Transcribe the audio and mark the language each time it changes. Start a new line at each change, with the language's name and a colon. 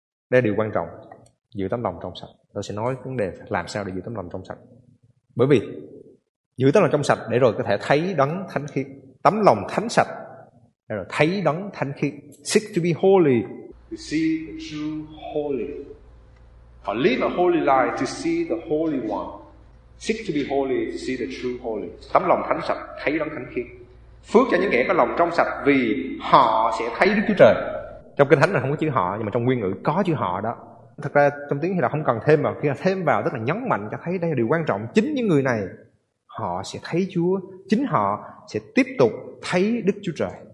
Vietnamese: Đây là điều quan trọng, giữ tấm lòng trong sạch. Tôi sẽ nói vấn đề làm sao để giữ tấm lòng trong sạch. Bởi vì giữ tấm lòng trong sạch để rồi có thể thấy đấng thánh khiết, tấm lòng thánh sạch để rồi thấy đấng thánh khiết.
English: Seek to be holy, to see the true holy. For live a holy life to see the holy one. Seek to be holy to see the true holy.
Vietnamese: Tấm lòng thánh sạch thấy đấng thánh khiết. Phước cho những kẻ có lòng trong sạch vì họ sẽ thấy Đức Chúa Trời. Trong kinh thánh là không có chữ họ, nhưng mà trong nguyên ngữ có chữ họ đó. Thật ra trong tiếng Hy Lạp không cần thêm vào, khi mà thêm vào tức là nhấn mạnh cho thấy đây là điều quan trọng. Chính những người này họ sẽ thấy Chúa, chính họ sẽ tiếp tục thấy Đức Chúa Trời.